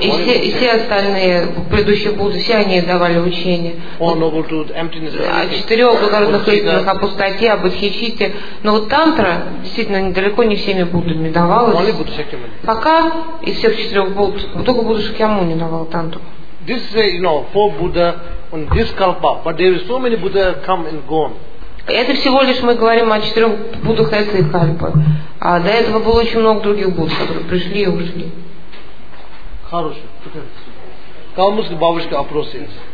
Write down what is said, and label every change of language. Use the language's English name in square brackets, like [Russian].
[Russian] И все остальные предыдущие Будды, все они давали учения. [English] All noble truth, emptiness. [Russian] О четырех благородных истинах, о пустоте, о бодхичитте. Но вот тантра действительно далеко не всеми Буддами давалась. [English] Only Будда Шакьямуни. [Russian] Пока из всех четырех Будд, только Будда Шакьямуни давал тантру. [English] This is, you know, four Buddha on this kalpa, but there are so many Buddha come and gone. [Russian] Это всего лишь мы говорим о четырех Буддах этой кальпы. А до этого было очень много других Будд, которые пришли и ушли. Хорошо. Калмыцкая бабушка опрос есть.